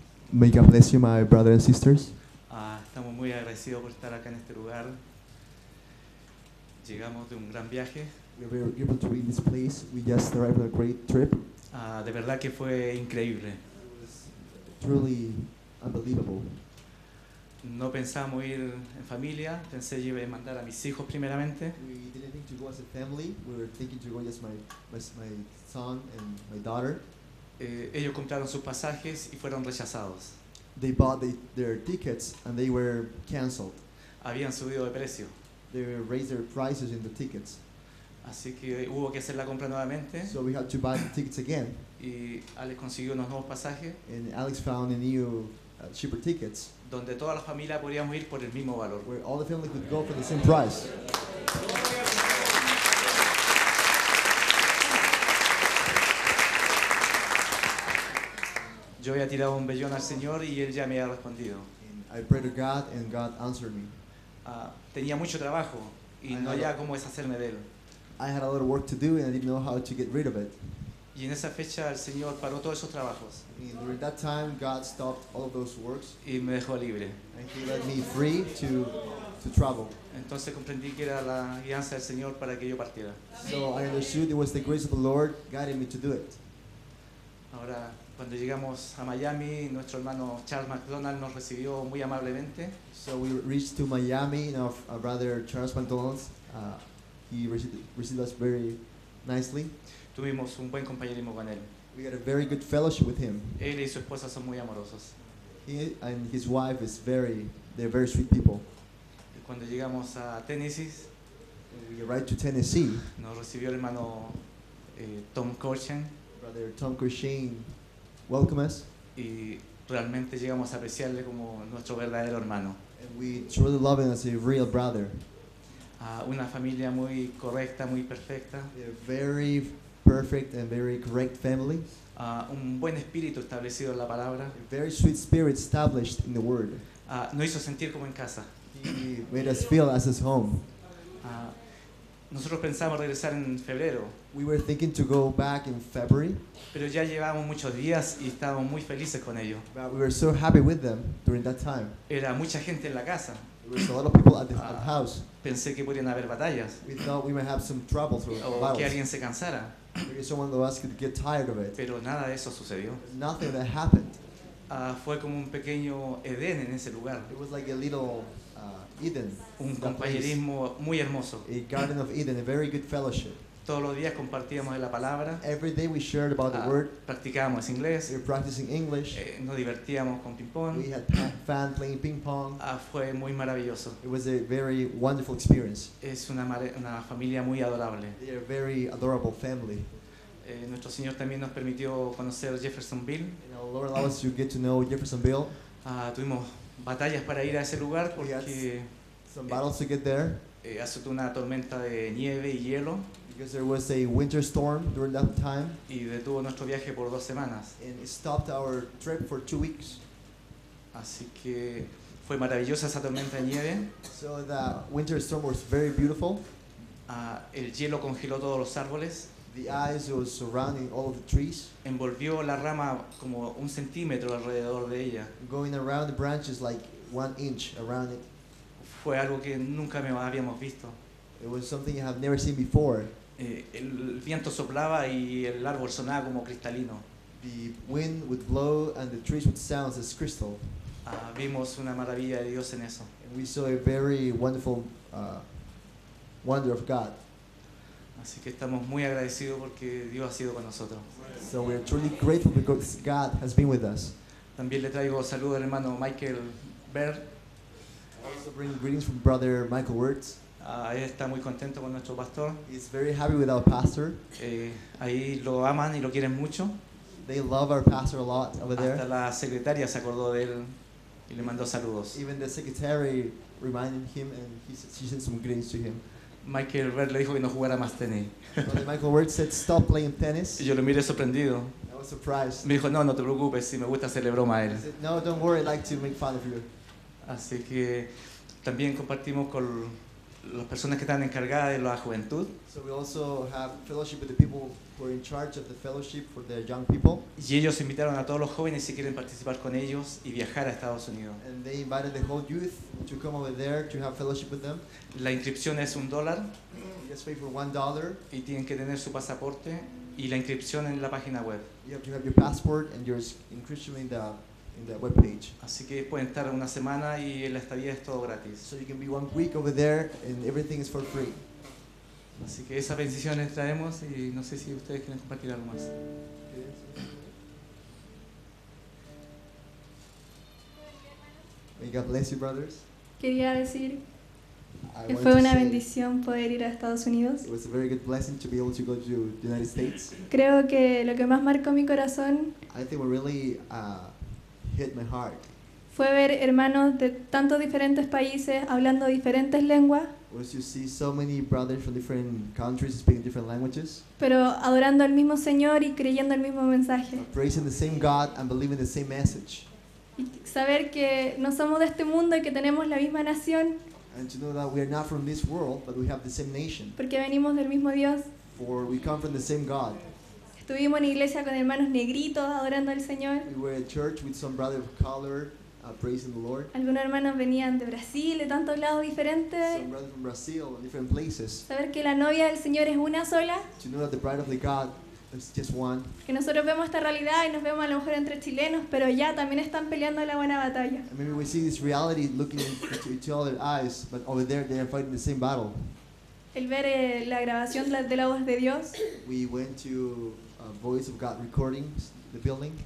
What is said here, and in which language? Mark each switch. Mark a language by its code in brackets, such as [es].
[en] May God bless you, my brothers and sisters. [es] Estamos muy agradecidos por estar acá en este lugar. Llegamos de un gran viaje. [en] We are very grateful to be in this place. We just arrived on a great trip. [es] De verdad que fue increíble. [en] It was truly unbelievable. [es] No pensábamos ir en familia. Pensé que iba a mandar a mis hijos primeramente. [en] We didn't think to go as a family. We were thinking to go just my son and my daughter. [es] Ellos compraron sus pasajes y fueron rechazados. [en] They bought their tickets and they were canceled. [es] Habían subido de precio. [en] They raised their prices in the tickets. [es] Así que hubo que hacer la compra nuevamente. [en] So we had to buy the tickets again. [es] Y Alex consiguió unos nuevos pasajes. [en] And Alex found a new cheaper tickets. [es] Donde toda la familia podíamos ir por el mismo valor. [en] Where all the family could go for the same price. [es] Yo había tirado un vellón al Señor y Él ya me había respondido. [en] I prayed to God and God answered me. [es] Tenía mucho trabajo y no había cómo deshacerme de él. [en] I had a lot of work to do and I didn't know how to get rid of it. [es] Y en esa fecha el Señor paró todos esos trabajos. [en] And during that time, God stopped all of those works. [es] Y me dejó libre. [en] And He let me free to travel. [es] Entonces comprendí que era la guianza del Señor para que yo partiera. [en] So I understood it was the grace of the Lord guiding me to do it. [es] Ahora, cuando llegamos a Miami, nuestro hermano Charles McDonald nos recibió muy amablemente. [en] So we reached to Miami, and our brother Charles McDonald, he received us very nicely. [es] Tuvimos un buen compañerismo con él. [en] We had a very good fellowship with him. [es] Él y su esposa son muy amorosos. [en] He and his wife is they're very sweet people. [es] Y cuando llegamos a Tennessee, [en] we arrived to Tennessee. [es] Nos recibió el hermano Tom Corchin. [en] Brother Tom Corchin, welcome us. [es] Y realmente llegamos a apreciarle como nuestro verdadero hermano. [en] And we truly love him as a real brother. [es] Una familia muy correcta, muy perfecta. [en] Perfect and very correct family. [es] Un buen espíritu establecido en la palabra. [en] A very sweet spirit established in the word. [es] No hizo sentir como en casa. [en] He made us feel as his home. [es] Nosotros pensamos regresar en febrero. [en] We were thinking to go back in February. [es] Pero ya llevábamos muchos días y estábamos muy felices con ellos. [en] But we were so happy with them during that time. [es] Era mucha gente en la casa. [en] There was a lot of people at the house. [es] Pensé que podían haber batallas. [en] We thought we might have some trouble through the battles. [es] O que alguien se cansara. [en] Maybe someone of us could get tired of it. [es] Pero nada de eso sucedió. [en] Nothing that happened. [es] Fue como un pequeño Edén en ese lugar. [en] It was like a little Eden. [es] Un compañerismo muy hermoso. [en] A Garden of Eden, a very good fellowship. [es] Todos los días compartíamos de la palabra. [en] Every day we shared about the word. [es] Practicábamos inglés. [en] We were practicing English. [es] Nos divertíamos con ping pong. [en] We had fun playing ping pong. [es] Fue muy maravilloso. [en] It was a very wonderful experience. [es] Es una familia muy adorable. [en] They are a very adorable family. [es] Nuestro Señor también nos permitió conocer Jeffersonville. [en] And our Lord allowed us to get to know Jeffersonville. [es] Tuvimos batallas para ir a ese lugar porque [en] some battles to get there. [es] Azotó una tormenta de nieve y hielo. [en] Because there was a winter storm during that time. [es] Y detuvo nuestro viaje por dos semanas. [en] And it stopped our trip for 2 weeks. [es] Así que fue maravillosa esa tormenta de nieve. [en] So the winter storm was very beautiful. [es] El hielo congeló todos los árboles. [en] The ice was surrounding all of the trees. [es] Envolvió la rama como un centímetro alrededor de ella. [en] Going around the branches like 1 inch around it. [es] Fue algo que nunca habíamos visto. [en] It was something you have never seen before. [es] El viento soplaba y el árbol sonaba como cristalino. [en] The wind would blow and the trees would sound as crystal. [es] Vimos una maravilla de Dios en eso. [en] And we saw a very wonderful wonder of God. [es] Así que estamos muy agradecidos porque Dios ha sido con nosotros. [en] So we are truly grateful because God has been with us. [es] También le traigo saludos al hermano Michael Bert. [en] Also bring greetings from brother Michael Wertz. [es] Está muy contento con nuestro pastor. [en] He's very happy with our pastor. [es] Ahí lo aman y lo quieren mucho. [en] They love our pastor a lot over there. [es] Hasta la secretaria se acordó de él y le mandó saludos. [en] Even the secretary reminded him and she sent some greetings to him. [es] Michael Wertz le dijo que no jugara más tenis. [en] Brother Michael Wertz said stop playing tennis. [es] Y yo lo miré sorprendido. [en] I was surprised. [es] Me dijo, no te preocupes, si me gusta hacerle broma a él. [en] He said, no, don't worry, I'd like to make fun of you. [es] Así que también compartimos con las personas que están encargadas de la juventud. [en] So we also have fellowship with the people who are in charge of the fellowship for the young people. [es] Y ellos invitaron a todos los jóvenes si quieren participar con ellos y viajar a Estados Unidos. [en] And they invited the whole youth to come over there to have fellowship with them. [es] La inscripción es $1. [en] You just pay for $1. [es] Y tienen que tener su pasaporte y la inscripción en la página web. [en] You have to have your passport and your inscription in the web page. [es] Así que pueden estar una semana y la estadía es todo gratis. [en] So you can be 1 week over there and everything is for free. [es] Así que esa bendición les traemos y no sé si ustedes quieren compartir algo más. [en] May God bless you, brothers. [es] Quería decir que fue una bendición poder ir a Estados Unidos. [en] It was a very good blessing to be able to go to the United States. [es] Creo que lo que más marcó mi corazón, [en] I think we're really hit my heart. [es] Fue ver hermanos de tantos diferentes países hablando diferentes lenguas. [en] Was to see so many brothers from different countries speaking different languages. [es] Pero adorando al mismo Señor y creyendo el mismo mensaje. [en] Praising the same God and believing the same message. [es] Y saber que no somos de este mundo y que tenemos la misma nación. [en] And to know that we are not from this world, but we have the same nation. [es] Porque venimos del mismo Dios. [en] For we come from the same God. [es] Estuvimos en iglesia con hermanos negritos adorando al Señor. [en] We were at church with some brother of color, praising the Lord. [es] Algunos hermanos venían de Brasil, de tantos lados diferentes. [en] Some brothers from Brazil, different places. [es] Saber que la novia del Señor es una sola. [en] To know that the bride of the God. Just one. [es] Que nosotros vemos esta realidad y nos vemos a lo mejor entre chilenos, pero ya también están peleando la buena batalla. [en] And maybe we see this reality looking into each other's eyes, but over there they are fighting the same battle. [es] El ver la grabación de la voz de Dios. [en] We went to a Voice of God recordings, the building.